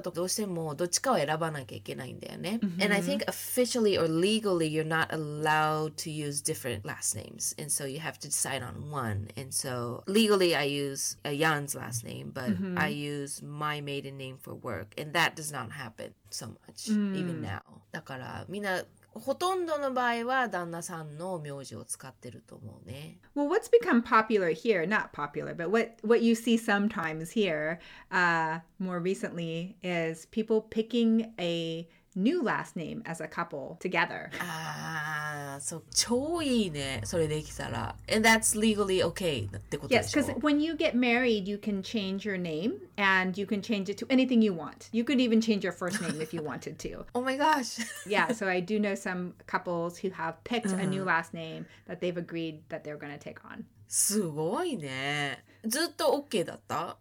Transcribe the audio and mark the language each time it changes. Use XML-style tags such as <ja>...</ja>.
<ja>まだまだ少ないんじゃないかな。やっぱり日本だとどうしてもどっちかを選ばなきゃいけないんだよね。 mm-hmm.</ja> <en>And I think officially or legally you're not allowed to use different last names. And so you have to decide on one. And so legally I use Jan's last name, but mm-hmm. I use my maiden name for work. And that does not happen so much mm-hmm. even now.</en> <ja>だからみんな</ja> <en>Well, what's become popular here, not popular, but what you see sometimes here more recently is people picking a new last name as a couple together.</en> <ja>So, 超いいね、それできたら。</ja> <en>And that's legally okay</en> <ja>ってことでしょ?</ja> <en>Yes, because when you get married, you can change your name and you can change it to anything you want. You could even change your first name if you wanted to. Oh my gosh! Yeah, so I do know some couples who have picked a new last name that they've agreed that they're going to take on.</en> <ja>すごいね。ずっと OK だった?</ja>